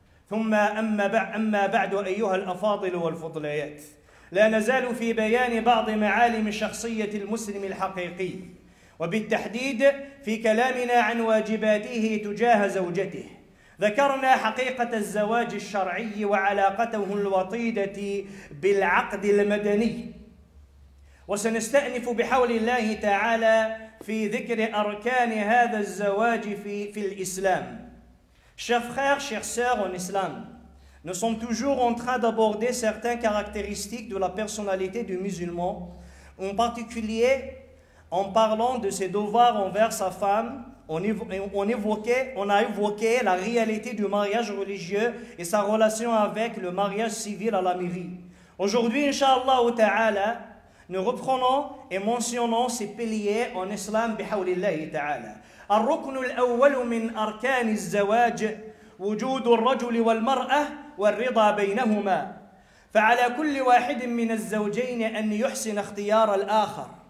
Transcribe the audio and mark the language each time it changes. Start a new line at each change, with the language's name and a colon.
Arabic: ثم أما بعد أيها الأفاضل والفضليات، لا نزال في بيان بعض معالم شخصية المسلم الحقيقي، وبالتحديد في كلامنا عن واجباته تجاه زوجته. ذكرنا حقيقة الزواج الشرعي وعلاقته الوطيدة بالعقد المدني، وسنستأنف بحول الله تعالى في ذكر أركان هذا الزواج في الإسلام.
French: Chers frères, chères sœurs en islam, nous sommes toujours en train d'aborder certaines caractéristiques de la personnalité du musulman, en particulier en parlant de ses devoirs envers sa femme. On a évoqué la réalité du mariage religieux et sa relation avec le mariage civil à la mairie. Aujourd'hui, inshallah ou ta'ala, nous reprenons et mentionnons ces piliers en islam bihawlillahi ta'ala.
Arabic: الركن الأول من أركان الزواج وجود الرجل والمرأة والرضا بينهما، فعلى كل واحد من الزوجين أن يحسن اختيار الآخر.